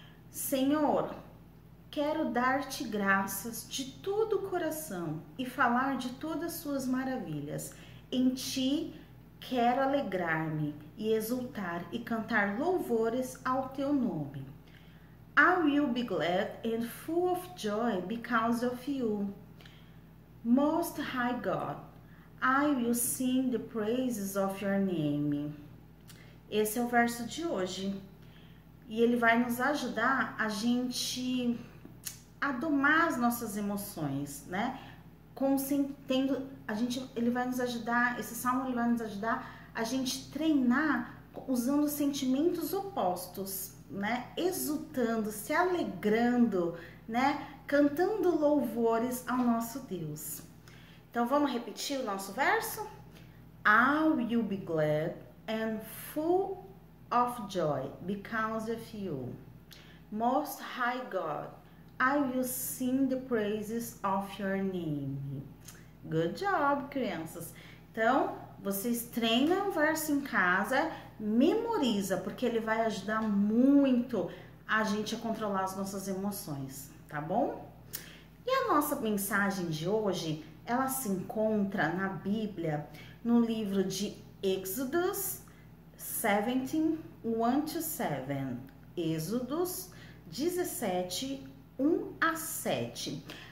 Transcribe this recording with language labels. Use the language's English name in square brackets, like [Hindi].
[Portuguese] Senhor, quero dar-te graças de todo o coração e falar de todas as suas maravilhas. Em ti quero alegrar-me e exultar e cantar louvores ao teu nome. [English] I will be glad and full of joy because of you. Most High God, I will sing the praises of your name. [Portuguese] Esse é o verso de hoje. E ele vai nos ajudar a gente a domar as nossas emoções, né? Ele vai nos ajudar, esse salmo ele vai nos ajudar a gente treinar usando sentimentos opostos, né? Exultando, se alegrando, né? Cantando louvores ao nosso Deus. Então vamos repetir o nosso verso? [English] I will be glad and full of joy because of you. Most High God, I will sing the praises of your name. Good job, crianças. [Portuguese] Então, vocês treinam o verso em casa, memoriza, porque ele vai ajudar muito a gente a controlar as nossas emoções, tá bom? E a nossa mensagem de hoje, ela se encontra na Bíblia, no livro de Êxodos 17, 1 to 7, Êxodos 17, 1 a 7.